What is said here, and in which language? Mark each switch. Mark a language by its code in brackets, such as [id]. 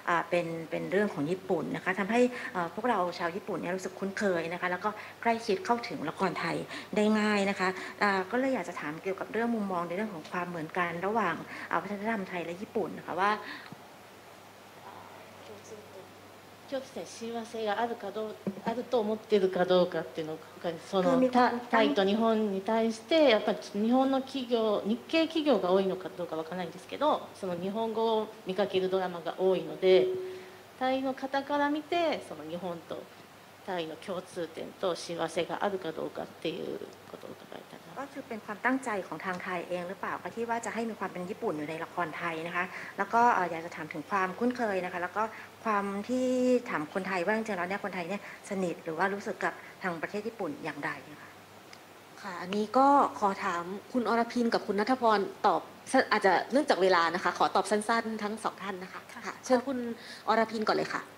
[th] เป็นเรื่องของญี่ปุ่นนะคะทำให้พวกเราชาวญี่ปุ่นเนี่ยรู้สึกคุ้นเคยนะคะแล้วก็ใกล้ชิดเข้าถึงละครไทยได้ง่ายนะคะก็เลยอยากจะถามเกี่ยวกับเรื่องมุมมองในเรื่องของความเหมือนกันระหว่างวัฒนธรรมไทยและญี่ปุ่นนะคะว่า [ja] 共通点親和性があるかどうあると思ってるかどうかっていうのを他にそのタイと日本に対してやっぱり日本の企業日系企業が多いのかどうかわからないんですけどその日本語を見かけるドラマが多いのでタイの方から見てその日本とタイの共通点と親和性があるかどうかっていうことを伺いたい [th] ก็คือเป็นความตั้งใจของทางไทยเองหรือเปล่าที่ว่าจะให้มีความเป็นญี่ปุ่นอยู่ในละครไทยนะคะแล้วก็อยากจะถามถึงความคุ้นเคยนะคะแล้วก็ความที่ถามคนไทยว่าจริงๆแล้วเนี่ยคนไทยเนี่ยสนิทหรือว่ารู้สึกกับทางประเทศญี่ปุ่นอย่างไรคะ ค่ะอันนี้ก็ขอถามคุณอรพินกับคุณณัฐพรตอบอาจจะเนื่องจากเวลานะคะขอตอบสั้นๆทั้งสองท่านนะคะค่ะเชิญคุณอรพินก่อนเลยค่ะ